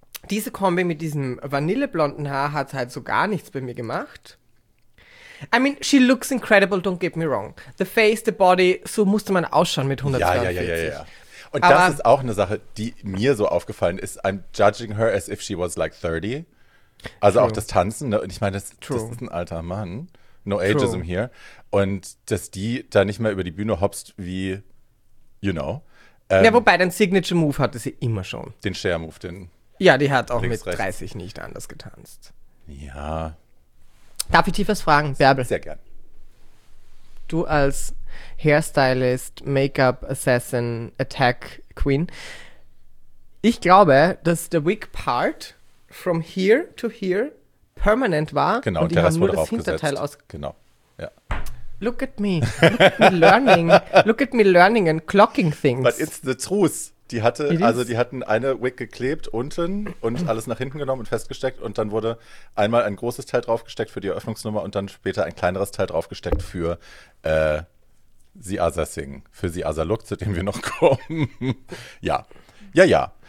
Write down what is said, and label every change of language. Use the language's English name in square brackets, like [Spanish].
[German] Diese Kombi mit diesem vanilleblonden Haar hat halt so gar nichts bei mir gemacht. [English] I mean, she looks incredible, don't get me wrong. The face, the body, [German] so musste man ausschauen mit 142. Ja. Und aber das ist auch eine Sache, die mir so aufgefallen ist. [English] I'm judging her as if she was like 30. Also true. [German] Auch das Tanzen. Und ich meine, das ist ein alter Mann. [English] No ageism here. [German] Und dass die da nicht mehr über die Bühne hopst wie, [English] you know. [German] Ja, wobei, den Signature-Move hatte sie immer schon. Den Share-Move, den. Ja, die hat auch mit 30 nicht anders getanzt. Ja. Darf ich tief was fragen, Bärbel? Sehr gern. Du als Hairstylist, Make-up, Assassin, Attack, Queen. Ich glaube, dass der Wig-Part [English] from here to here [German] permanent war. Genau, und die haben nur das Hinterteil aus. Genau, ja. [English] Look at me. Look at me learning and clocking things. But it's the truth. [German] Die hatte, also die hatten eine Wig geklebt unten und alles nach hinten genommen und festgesteckt und dann wurde einmal ein großes Teil draufgesteckt für die Eröffnungsnummer und dann später ein kleineres Teil draufgesteckt für The Other Thing, für The Other Look, zu dem wir noch kommen. Ja, ja, ja.